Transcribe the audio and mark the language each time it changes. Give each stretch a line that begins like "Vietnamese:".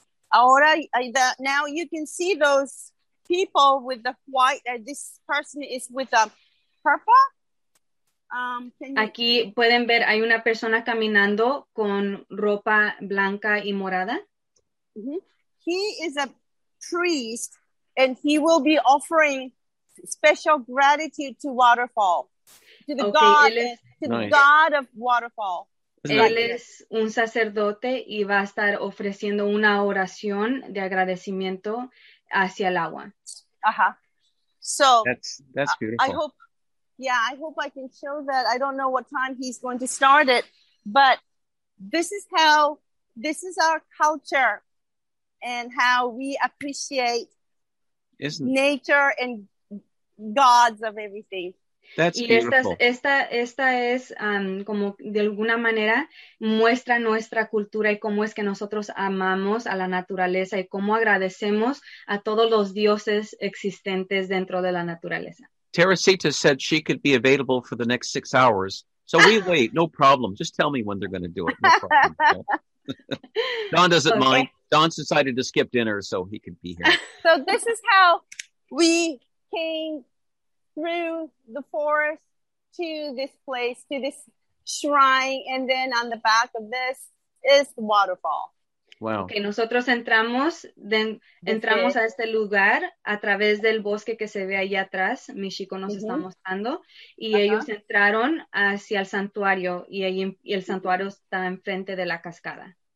Spanish: Ahora,
English: now you can see those people with the white, this person is with the purple.
Spanish: Aquí pueden ver, hay una persona caminando con ropa blanca y morada. Mm-hmm.
English: He is a priest, and he will be offering special gratitude to waterfall, to the god of waterfall.
Spanish: Él es un sacerdote y va a estar ofreciendo una oración de agradecimiento hacia el agua.
English: So that's beautiful. I hope I can show that. I don't know what time he's going to start it, but this is our culture. And how we appreciate nature and gods of everything. That's beautiful.
Spanish: Y esta es como de alguna manera muestra nuestra cultura y cómo es que nosotros amamos a la naturaleza y cómo agradecemos a todos los dioses existentes dentro de la naturaleza.
English: Teresita said she could be available for the next 6 hours. So we wait, no problem. Just tell me when they're going to do it. No problem. Don doesn't mind. Don's decided to skip dinner so he could be here. So this is how we came through the forest to this place, to this shrine. And then on the back of this is the waterfall. Wow.
Spanish: Okay, nosotros entramos a este lugar a través del bosque que se ve ahí atrás. Michiko nos está mostrando. Y ellos entraron hacia el santuario. Y ahí y el santuario está enfrente de la cascada.